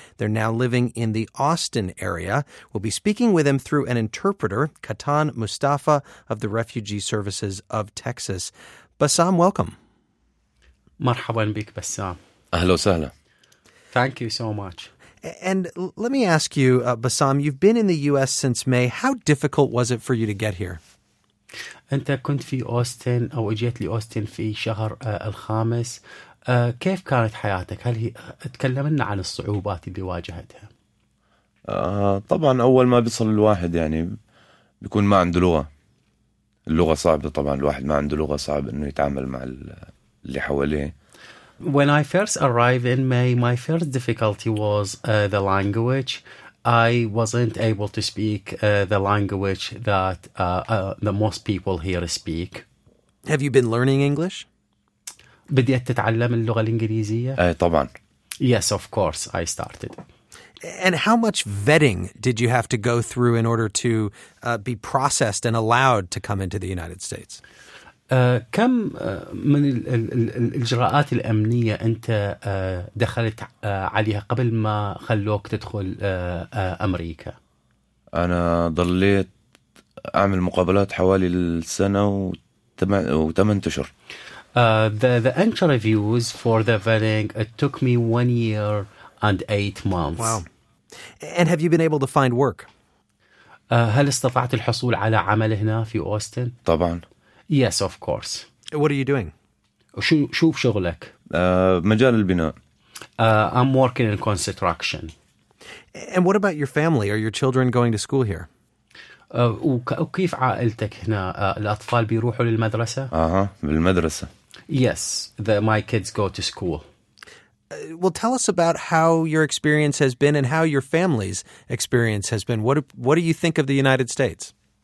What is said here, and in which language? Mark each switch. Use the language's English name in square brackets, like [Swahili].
[English] They're now living in the Austin area. We'll be speaking with him through an interpreter, Katan Mustafa, of the Refugee Services of Texas. Bassam, welcome. [Arabic] Marhaban bik, Bassam. Ahlo sahla. [English] Thank you so much. And let me ask you, Bassam, you've been in the U.S. since May. How difficult was it for you to get here? [Arabic] أنت كنت في أوستن أو جيت لي أوستن في شهر الخامس. كيف كانت حياتك؟ هل هي تكلمنا عن الصعوبات اللي واجهتها؟ طبعا أول ما بيصل الواحد يعني بيكون ما عنده لغة. اللغة صعبة طبعا الواحد ما عنده لغة صعب إنه يتعامل مع اللي حواليه. [English] When I first arrived in May, my first difficulty was the language. I wasn't able to speak the language that the most people here speak. Have you been learning English? [Arabic] بديت تتعلم اللغة الإنجليزية؟ طبعا. [English] Yes, of course, I started. And how much vetting did you have to go through in order to be processed and allowed to come into the United States? [Arabic] كم من الإجراءات الأمنية أنت دخلت عليها قبل ما خلوك تدخل أمريكا؟ أنا ضليت أعمل مقابلات حوالي السنة وثمان أشهر. [English] The interviews for the vetting took me 1 year and 8 months. Wow. And have you been able to find work? [Arabic] هل استطعت الحصول على عمل هنا في أوستن؟ طبعاً. [English] Yes, of course. What are you doing? [Arabic] شوف شغلك. مجال البناء. [English] I'm working in construction. And what about your family? Are your children going to school here? [Arabic] وكيف عائلتك هنا؟ الأطفال بيروحوا للمدرسة؟ بالمدرسة. [English] Yes, my kids go to school. Well, tell us about how your experience has been and how your family's experience has been. What do you think of the United States?